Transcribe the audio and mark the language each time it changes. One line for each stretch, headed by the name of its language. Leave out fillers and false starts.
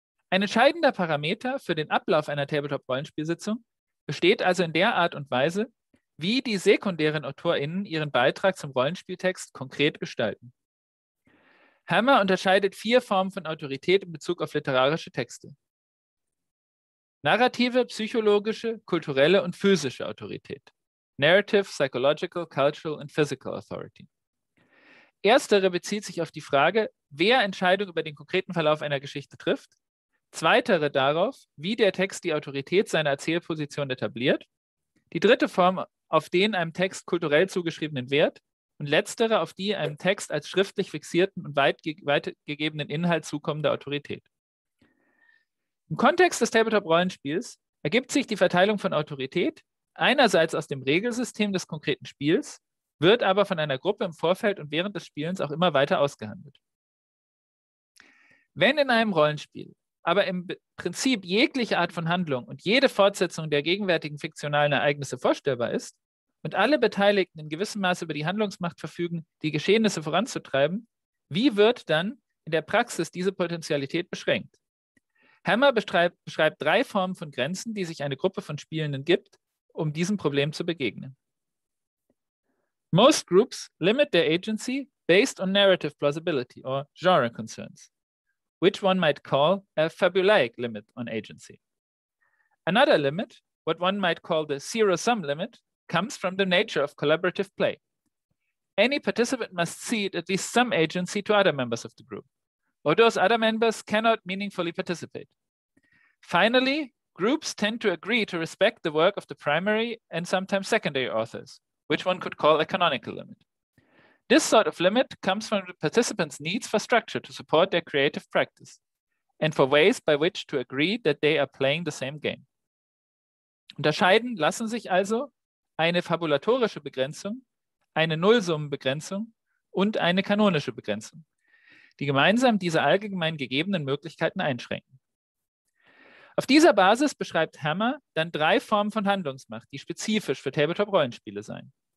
German: Ein entscheidender Parameter für den Ablauf einer Tabletop-Rollenspielsitzung besteht also in der Art und Weise, wie die sekundären AutorInnen ihren Beitrag zum Rollenspieltext konkret gestalten. Hammer unterscheidet vier Formen von Autorität in Bezug auf literarische Texte: narrative, psychologische, kulturelle und physische Autorität.
English: Narrative, psychological, cultural and physical authority.
German: Erstere bezieht sich auf die Frage, wer Entscheidungen über den konkreten Verlauf einer Geschichte trifft. Zweitere darauf, wie der Text die Autorität seiner Erzählposition etabliert. Die dritte Form, auf den einem Text kulturell zugeschriebenen Wert. und letztere auf die einem Text als schriftlich fixierten und weitgegebenen Inhalt zukommende Autorität. Im Kontext des Tabletop-Rollenspiels ergibt sich die Verteilung von Autorität einerseits aus dem Regelsystem des konkreten Spiels, wird aber von einer Gruppe im Vorfeld und während des Spielens auch immer weiter ausgehandelt. Wenn in einem Rollenspiel aber im Prinzip jegliche Art von Handlung und jede Fortsetzung der gegenwärtigen fiktionalen Ereignisse vorstellbar ist und alle Beteiligten in gewissem Maße über die Handlungsmacht verfügen, die Geschehnisse voranzutreiben, wie wird dann in der Praxis diese Potenzialität beschränkt? Hammer beschreibt drei Formen von Grenzen, die sich eine Gruppe von Spielenden gibt, um diesem Problem zu begegnen.
English: Most groups limit their agency based on narrative plausibility or genre concerns, which one might call a fabulaic limit on agency. Another limit, what one might call the zero-sum limit, comes from the nature of collaborative play. Any participant must cede at least some agency to other members of the group, or those other members cannot meaningfully participate. Finally, groups tend to agree to respect the work of the primary and sometimes secondary authors, which one could call a canonical limit. This sort of limit comes from the participants' needs for structure to support their creative practice and for ways by which to agree that they are playing the same game.
German: Unterscheiden lassen sich also eine fabulatorische Begrenzung, eine Nullsummenbegrenzung und eine kanonische Begrenzung, die gemeinsam diese allgemein gegebenen Möglichkeiten einschränken. Auf dieser Basis beschreibt Hammer dann drei Formen von Handlungsmacht, die spezifisch für Tabletop-Rollenspiele seien.